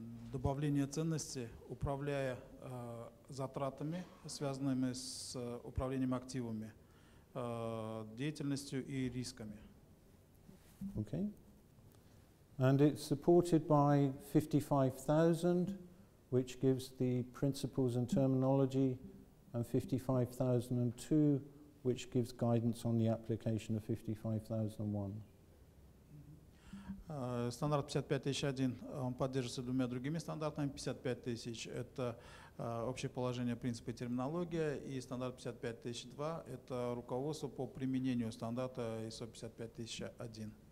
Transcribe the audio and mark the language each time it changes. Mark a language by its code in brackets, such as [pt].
[ru] добавление ценности, управляя затратами, связанными с управлением активами, деятельностью и рисками. [en] Okay. And it's supported by 55000, which gives the principles and terminology, and 55002, which gives guidance on the application of 55001. [ru] Стандарт 55001 он поддерживается двумя другими стандартами. 55000 – это общее положение, принципы и терминология. И стандарт 55002 – это руководство по применению стандарта ISO 55001.